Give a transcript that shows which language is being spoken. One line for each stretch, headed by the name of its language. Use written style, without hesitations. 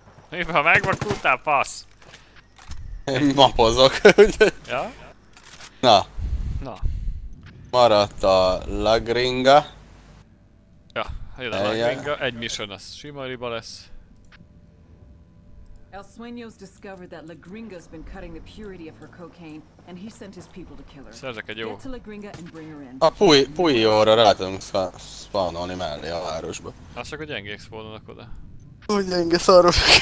Hungarian: Mi van, megvakultál, fasz? Én mapozok. Ja? Na. Na. Maradt a Lagringa. Ja, jön a Lagringa. Egy mission az Shimariba lesz.
English: El Sueño's discovered that La Gringa's been cutting the purity of her cocaine, and he sent his people to kill her.
Hungarian: Szerzek egy jó.
English: Get to La Gringa and bring her in.
Hungarian: A Puyo-ra rá tudunk spawnolni mellé a városba. Azt csak, hogy gyengék spawnolnak oda. Hogy gyenge szarok.